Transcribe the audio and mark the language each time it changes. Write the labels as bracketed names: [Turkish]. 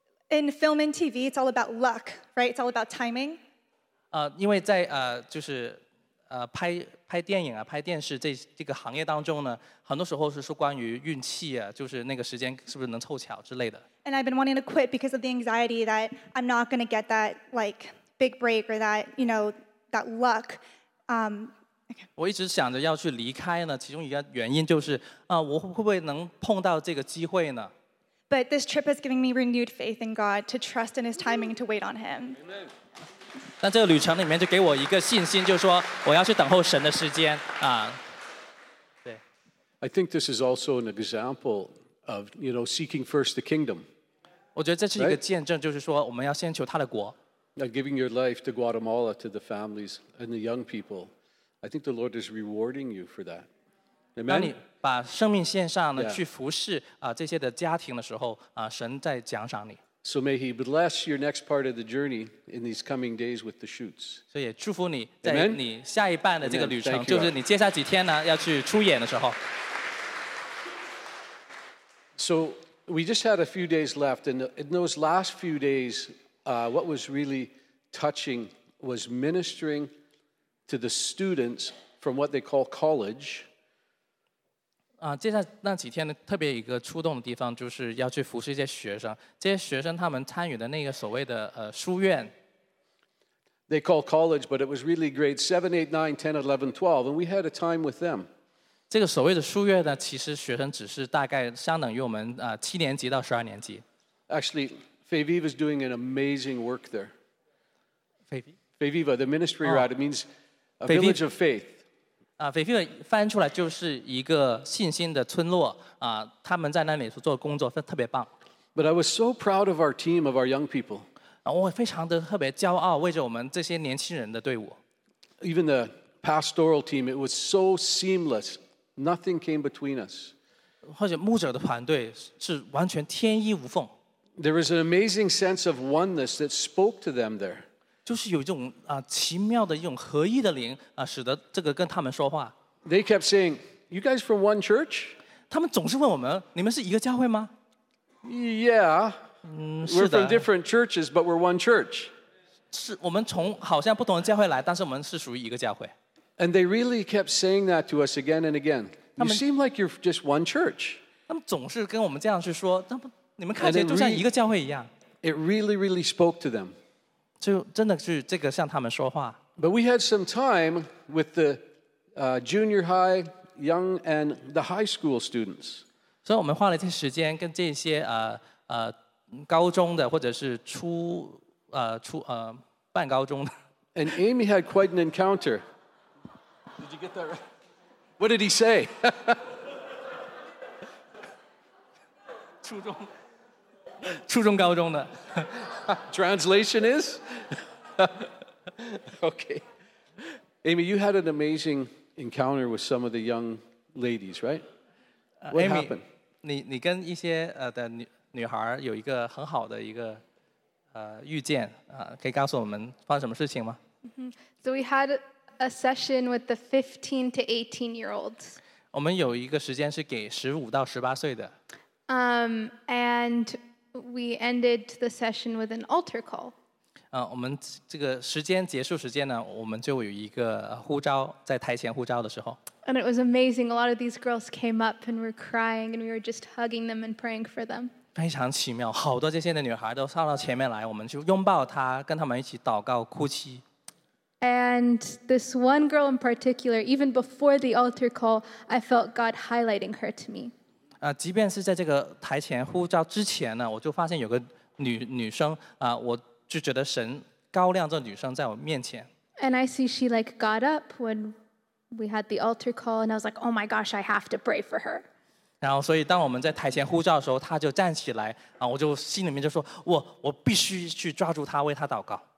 [English] In film and TV, it's all about luck, right? It's all about timing. [Chinese] 因为在拍电影啊、拍电视这个行业当中呢，很多时候是关于运气啊，就是那个时间是不是能凑巧之类的。 [English] And I've been wanting to quit because of the anxiety that I'm not going to get that like big break or that, you know, that luck. [Chinese] 我一直想着要去离开呢，其中一个原因就是，我会不会能碰到这个机会呢？ [English] But this trip has given me renewed faith in God to trust in His timing and to wait on Him. Amen. [Chinese] 但这个旅程里面就给我一个信心，就是说我要去等候神的时间。对。 [English] I think this is also an example of, you know, seeking first the kingdom. [Chinese] 我觉得这是一个见证，就是说我们要先求他的国。 [English] Giving your life to Guatemala, to the families and the young people. I think the Lord is rewarding you for that. [Chinese] 当你把生命献上去服侍这些的家庭的时候，神在奖赏你。 [English] So may he bless your next part of the journey in these coming days with the shoots. [Chinese] 所以祝福你在你下一半的这个旅程，就是你接下几天呢要去出演的时候。 [English] So we just had a few days left, and in those last few days, what was really touching was ministering to the students from what they call college. [Chinese] 接下来那几天特别一个触动的地方就是要去服侍一些学生，这些学生他们参与的那个所谓的书院。 [English] They call college, but it was really grade 7, 8, 9, 10, 11, 12, and we had a time with them. [Chinese] 这个所谓的书院呢，其实学生只是大概相等于我们七年级到十二年级。 [English] Actually, Feviva is doing an amazing work there. Feviva, the ministry route, it means a village of faith. [Chinese] Feviva 翻出来就是一个信心的村落，他们在那里做工作，特别棒。 [English] But I was so proud of our team, of our young people. [Chinese] 我非常的特别骄傲，为着我们这些年轻人的队伍。 [English] Even the pastoral team, it was so seamless. Nothing came between us. [Chinese] 或者牧者的团队是完全天衣无缝。 [English] There was an amazing sense of oneness that spoke to them there. [Chinese] 就是有一种奇妙的一种合一的灵，使得这个跟他们说话。 [English] They kept saying, "You guys from one church?" [Chinese] 他们总是问我们，你们是一个教会吗？ [English] Yeah, we're from different churches, but we're one church. [Chinese] 是我们从好像不同的教会来，但是我们是属于一个教会。 [English] And they really kept saying that to us again and again. You seem like you're just one church. [Chinese] 他们总是跟我们这样去说，你们看起来就像一个教会一样。 [English] It really, really spoke to them. [Chinese] 就真的是这个向他们说话。 [English] But we had some time with the junior high, young, and the high school students. [Chinese] 所以我们花了一些时间跟这些高中的或者是半高中的。 [English] And Amy had quite an encounter. Did you get that right? What did he say? [Chinese] 初中高中的。 [English] Translation is? Okay. Amy, you had an amazing encounter with some of the young ladies, right? What Amy, happened? [Chinese] 你跟一些女孩有一个很好的遇见，可以告诉我们发生什么事情吗？ [English] So we had a session with the 15 to 18 year olds. [Chinese] 我们有一个时间是给15到18岁的。 [English] And we ended the session with an altar call. [Chinese] 我们这个时间结束时间呢，我们就有一个呼召，在台前呼召的时候。 [English] And it was amazing. A lot of these girls came up and were crying, and we were just hugging them and praying for them. [Chinese] 非常奇妙，好多这些的女孩都上到前面来，我们就拥抱她，跟她们一起祷告、哭泣。 [English] And this one girl in particular, even before the altar call, I felt God highlighting her to me. [Chinese] 即便是在这个台前呼召之前呢，我就发现有个女生，我就觉得神高亮这女生在我面前。 [English] And I see she like got up when we had the altar call, and I was like, oh my gosh, I have to pray for her. [Chinese] 然后所以当我们在台前呼召的时候，她就站起来，我就心里面就说，我必须去抓住她，为她祷告。